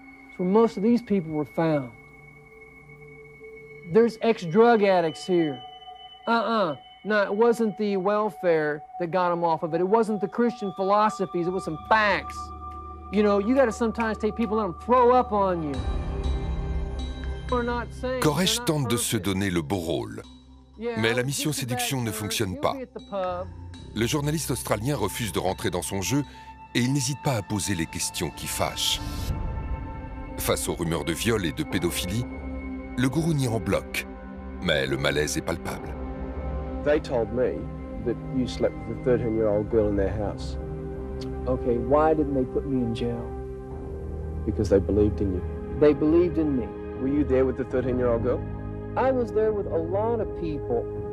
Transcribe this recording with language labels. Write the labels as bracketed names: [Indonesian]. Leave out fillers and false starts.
[English] It's where most of these people were found. There's ex-drug addicts here. No, it wasn't the welfare that got them off of it. It wasn't the Christian philosophies. It was some facts. You know, you got to sometimes take people and let them throw up on you. We're not saying. [French] Koresh tente de se donner le beau rôle, mais la mission séduction ne fonctionne pas. Le journaliste australien refuse de rentrer dans son jeu et il n'hésite pas à poser les questions qui fâchent. Face aux rumeurs de viol et de pédophilie, le gourou nie en bloc, mais le malaise est palpable. [English] They told me that you slept with a 13-year-old girl in their house. Okay, why didn't they put me in jail? Because they believed in you. They believed in me. Were you there with the 13-year-old girl? I was there with a lot of people.